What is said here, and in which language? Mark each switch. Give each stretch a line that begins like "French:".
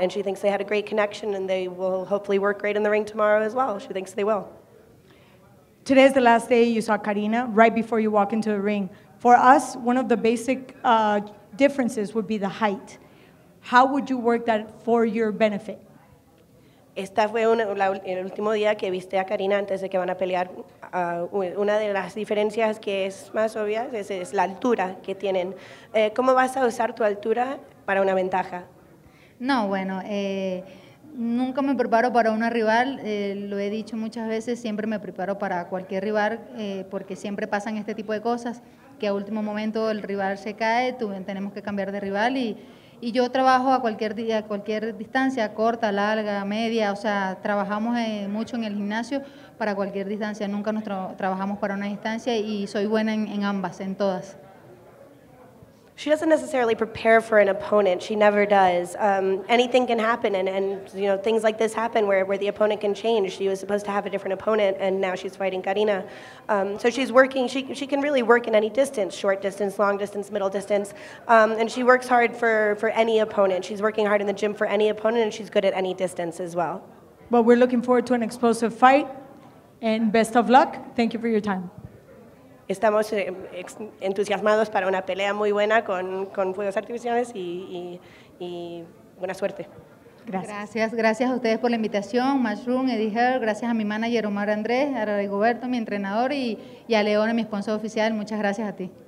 English: And she thinks they had a great connection and they will hopefully work great in the ring tomorrow as well. She thinks they will. Today is the last day you saw Karina right before you walk into the ring. For us, one of the basic differences would be the height. How would you work that for your benefit?
Spanish: Esta fue el último día que viste a Karina antes de que van a pelear. Una de las diferencias que es más obvia es la altura que tienen. ¿Cómo vas a usar tu altura para una ventaja? No, bueno, nunca me preparo para una rival. Lo he dicho muchas veces, siempre me preparo para cualquier rival porque siempre pasan este tipo de cosas. Que a último momento el rival se cae, tenemos que cambiar de rival y yo trabajo a cualquier distancia, corta, larga, media, o sea, trabajamos mucho en el gimnasio para cualquier distancia, nunca nos trabajamos para una distancia y soy buena en ambas, en todas.
English: She doesn't necessarily prepare for an opponent. She never does. Anything can happen, and you know, things like this happen where the opponent can change. She was supposed to have a different opponent, and now she's fighting Karina. So she's working. She can really work in any distance, short distance, long distance, middle distance. And she works hard for any opponent. She's working hard in the gym for any opponent, and she's good at any distance as well. Well, we're looking forward to an explosive fight, and best of luck. Thank you for your time.
Spanish: Estamos entusiasmados para una pelea muy buena con fuegos artificiales y buena suerte. Gracias a ustedes por la invitación, Mushroom, Eddie Herr, gracias a mi manager Omar Andrés, a Rigoberto, mi entrenador, y a León, mi sponsor oficial. Muchas gracias a ti.